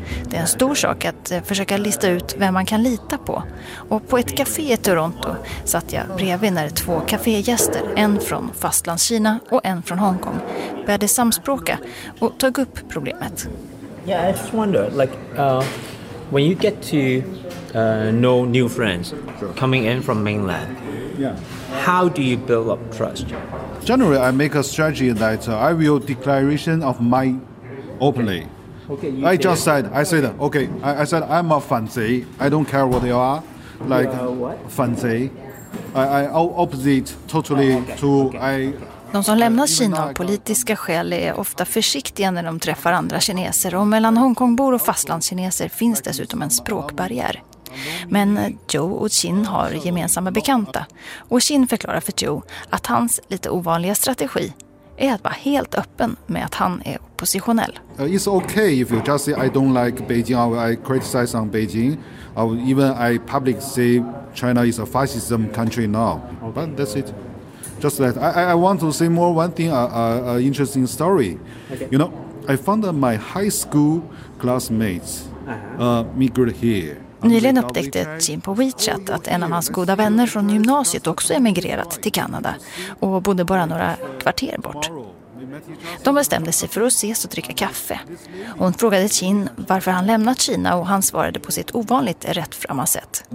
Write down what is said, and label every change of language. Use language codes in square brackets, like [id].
[sv] Det är en stor sak att försöka lista ut vem man kan lita på. Och på ett café i Toronto satt jag bredvid när två kafégäster, en från fastlandskina och en från Hongkong, började samspråka och tog upp problemet. [en] Yeah, I just wonder, when you get to know new friends coming in from mainland, how do you build up trust? Generally, I make a strategy that I will declaration of my openly. Okay, I said I'm a fancy. I don't care what you are, like fancy. I opposite totally [sv] De som lämnar Kina av politiska skäl är ofta försiktiga när de träffar andra kineser, och mellan Hongkongbor och fastlandskineser finns dessutom en språkbarriär. Men Joe och Jin har gemensamma bekanta, och Jin förklarar för Joe att hans lite ovanliga strategi är att vara helt öppen med att han är oppositionell. [en] It's okay if you just say I don't like Beijing or I criticize on Beijing or even I publicly say China is a fascism country now. But that's it. Just that. I want to say more one thing, an interesting story. Okay. You know, I found my high school classmates migrated here. [sv] Nyligen upptäckte Jim på WeChat att en av hans goda vänner från gymnasiet också emigrerat till Kanada och bodde bara några kvarter bort. De bestämde sig för att ses och dricka kaffe. Hon frågade Jim varför han lämnat Kina och han svarade på sitt ovanligt rättframma sätt.